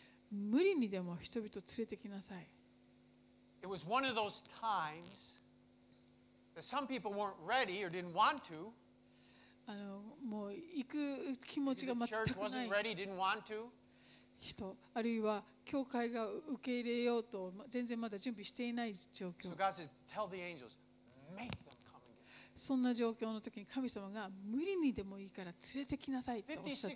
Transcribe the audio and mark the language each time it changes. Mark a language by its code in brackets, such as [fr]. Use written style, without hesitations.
[ja] 無理にでも人々を連れてきなさい。 [en] It was one of those timesSome people weren't ready or didn't want to. [ja] もう行く気持ちが全くない。 [en] Church wasn't ready, didn't want to. [ja] 人あるいは教会が受け入れようと全然まだ準備していない状況。 [en] So God said, tell the angels, make them come again. [ja] そんな状況の時に神様が無理にでもいいから連れてきなさいとおっしゃって。